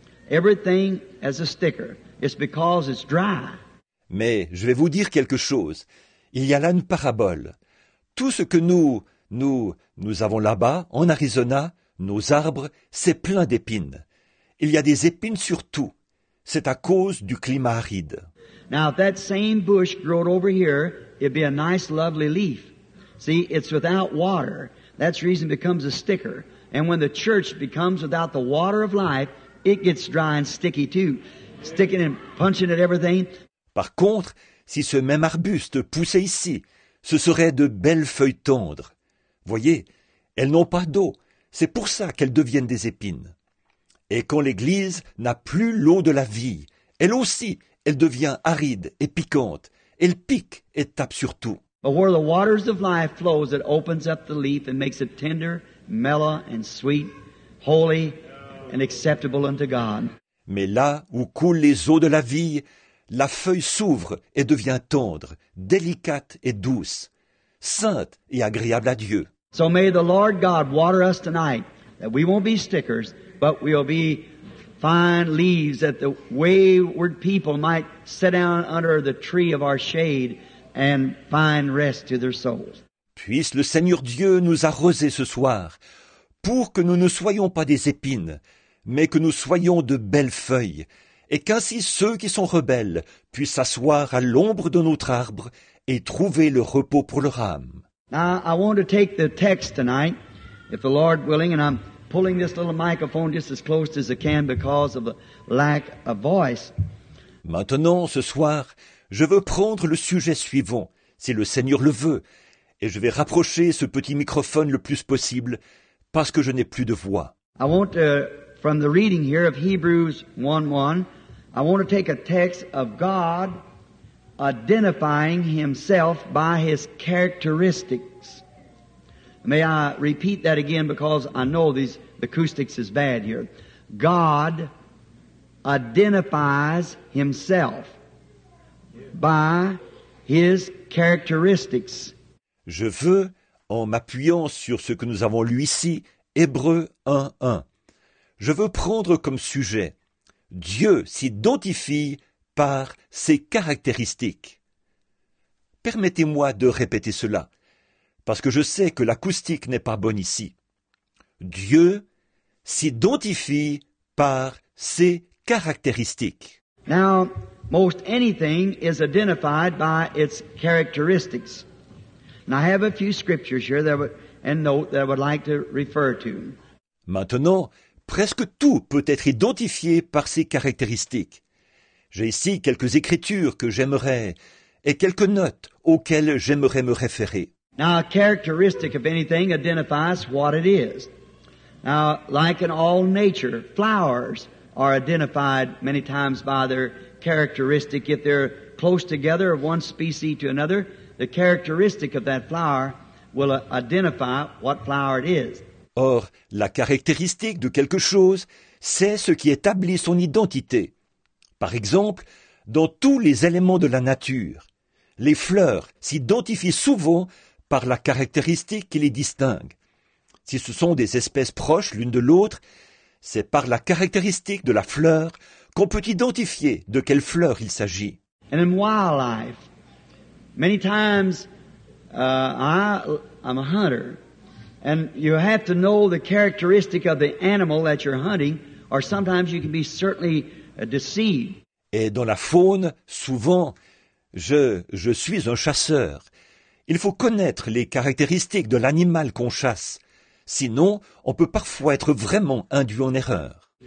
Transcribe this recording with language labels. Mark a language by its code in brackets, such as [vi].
[en] Everything has a sticker. It's because it's dry. [fr] Mais je vais vous dire quelque chose. Il y a là une parabole. Tout ce que nous avons là-bas, en Arizona, nos arbres, c'est plein d'épines. Il y a des épines sur tout. C'est à cause du climat aride. [en] Now, if that same bush growed over here, it'd be a nice, lovely leaf. See, it's without water. That's reason it becomes a sticker. And when the church becomes without the water of life, it gets dry and sticky too. Sticking and punching at everything. [fr] Par contre, si ce même arbuste poussait ici, ce serait de belles feuilles tendres. Voyez, elles n'ont pas d'eau. C'est pour ça qu'elles deviennent des épines. Et quand l'Église n'a plus l'eau de la vie, elle aussi, elle devient aride et piquante. Elle pique et tape sur tout. [en] But where the waters of life flows, it opens up the leaf and makes it tender, mellow, and sweet, holy, and acceptable unto God. [fr] Mais là où coulent les eaux de la vie, la feuille s'ouvre et devient tendre, délicate et douce, sainte et agréable à Dieu. [en] So may the Lord God water us tonight, that we won't be stickers, but we'll be fine leaves that the wayward people might sit down under the tree of our shade and find rest to their souls. [fr] Puisse le Seigneur Dieu nous arroser ce soir, pour que nous ne soyons pas des épines, mais que nous soyons de belles feuilles, et qu'ainsi ceux qui sont rebelles puissent s'asseoir à l'ombre de notre arbre et trouver le repos pour leur âme. [en] Now, I want to take the text tonight, if the Lord willing, and I'm pulling this little microphone just as close as I can because of the lack of voice. [fr] Maintenant, ce soir, je veux prendre le sujet suivant, si le Seigneur le veut, et je vais rapprocher ce petit microphone le plus possible, parce que je n'ai plus de voix. [en] I want to, from the reading here of Hebrews 1:1, I want to take a text of God identifying himself by his characteristics. May I repeat that again, because I know these acoustics is bad here. God identifies himself by his characteristics. [fr] Je veux, en m'appuyant sur ce que nous avons lu ici, Hébreux 1:1, je veux prendre comme sujet « Dieu s'identifie par ses caractéristiques ». Permettez-moi de répéter cela, parce que je sais que l'acoustique n'est pas bonne ici. Dieu s'identifie par ses caractéristiques. [en] Now, Most anything is identified by its characteristics. And I have a few scriptures here that I would like to refer to. [fr] Maintenant, presque tout peut être identifié par ses caractéristiques. J'ai ici quelques écritures que j'aimerais et quelques notes auxquelles j'aimerais me référer. [en] Now, a characteristic of anything identifies what it is. Now, like in all nature, flowers are identified many times by their characteristic. If they're close together of one species to another, the characteristic of that flower will identify what flower it is. [fr] Or, la caractéristique de quelque chose, c'est ce qui établit son identité. Par exemple, dans tous les éléments de la nature, les fleurs s'identifient souvent par la caractéristique qui les distingue. Si ce sont des espèces proches l'une de l'autre, c'est par la caractéristique de la fleur qu'on peut identifier de quelle fleur il s'agit. [en] And in wildlife, many times, I'm a hunter, and you have to know the characteristic of the animal that you're hunting, or sometimes you can be certainly deceived. [fr] Et dans la faune, souvent, je suis un chasseur. Il faut connaître les caractéristiques de l'animal qu'on chasse. Sinon, on peut parfois être vraiment induit en erreur.